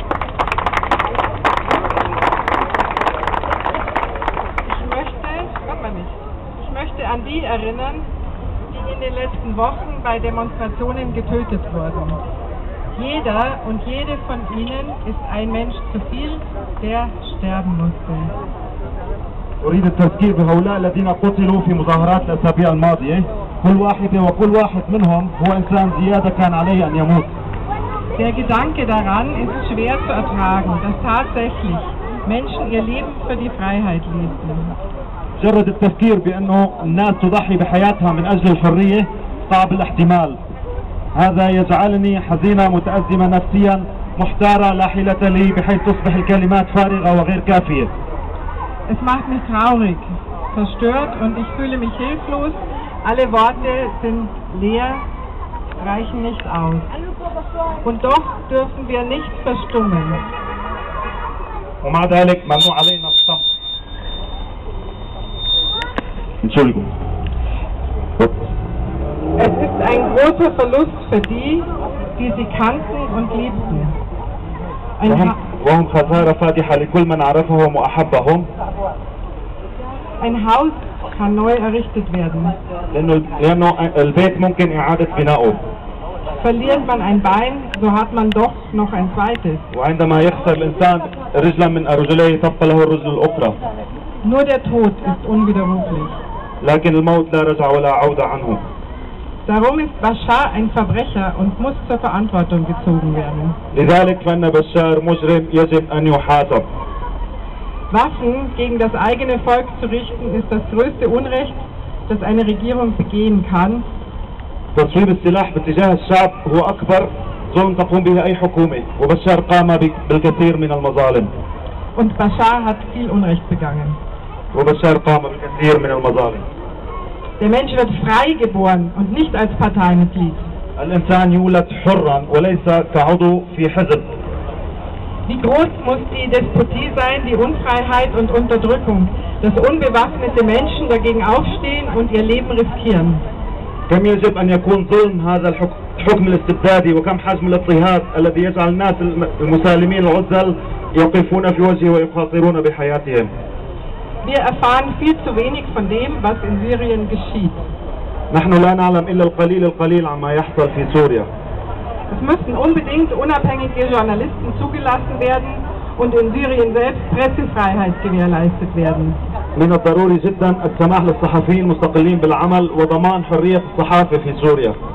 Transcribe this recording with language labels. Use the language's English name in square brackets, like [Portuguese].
[German] Ich möchte erinnern, die in den letzten Wochen bei Demonstrationen getötet wurden. Jeder und jede von ihnen ist ein Mensch zu viel, der sterben musste. [Arabic] أريد التذكير بهؤلاء الذين قتلوا في مظاهرات الأسابيع الماضية. كل واحدة وكل واحد منهم هو إنسان زيادة كان عليه أن يموت. [German] Der Gedanke daran ist schwer zu ertragen, dass tatsächlich Menschen ihr Leben für die Freiheit ließen. [Arabic] مجرد التذكير بأنه الناس تضحي بحياتها من أجل الحرية صعب الاحتمال. هذا يجعلني حزينة متأزمة نفسيا محتارة لا حيلة لي بحيث تصبح الكلمات فارغة وغير كافية. [German] Es macht mich traurig, verstört und ich fühle mich hilflos. Alle Worte sind leer, reichen nicht aus. Und doch dürfen wir nicht verstummen. [Arabic] ومع ذلك ممنوع علينا الصمت. [German] Entschuldigung. Es ist ein großer Verlust für die, die sie kannten und liebten. [Arabic] وهم خسارة فادحة لكل من عرفهم وأحبهم. [German] Ein Haus kann neu errichtet werden. [Arabic] لأنه البيت ممكن إعادة بنائه. [German] Verliert man ein Bein, so hat man doch noch ein zweites. [Arabic] وعندما يخسر الإنسان رجلا من رجليه تبقى له الرجل الأخرى. [German] Nur der Tod ist unwiderruflich. [Arabic] لكن الموت لا رجع ولا عودة عنه. [German] Darum ist Bashar ein Verbrecher und muss zur Verantwortung gezogen werden. [Arabic] لذلك فإن بشار مجرم يجب أن يحاسب. [German] Waffen gegen das eigene Volk zu richten ist das größte Unrecht, das eine Regierung begehen kann. [Arabic] تصويب السلاح باتجاه الشعب هو أكبر ظلم تقوم به أي حكومة. وبشار قام بالكثير من المظالم. [German] Und Bashar hat viel Unrecht begangen. [Arabic] وبشار قام بالكثير من المظالم. [German] Der Mensch wird frei geboren und nicht als Parteimitglied. [Arabic] الإنسان يولد حرا وليس كعضو في حزب. [German] Wie groß muss die Despotie sein, die Unfreiheit und Unterdrückung, dass unbewaffnete Menschen dagegen aufstehen und ihr Leben riskieren? [Arabic] كم يجب أن يكون ظلم هذا الحكم الاستبدادي وكم حجم الاضطهاد الذي يجعل الناس المسالمين العزل يقفون في وجهه ويخاطرون بحياتهم؟ [German] Wir erfahren viel zu wenig von dem, was in Syrien geschieht. [Arabic] نحن لا نعلم إلا القليل القليل عما يحصل في سوريا. [German] Es müssen unbedingt unabhängige Journalisten zugelassen werden und in Syrien selbst Pressefreiheit gewährleistet werden. [Arabic] من الضروري جدا السماح للصحفيين مستقلين بالعمل وضمان حرية الصحافة في سوريا.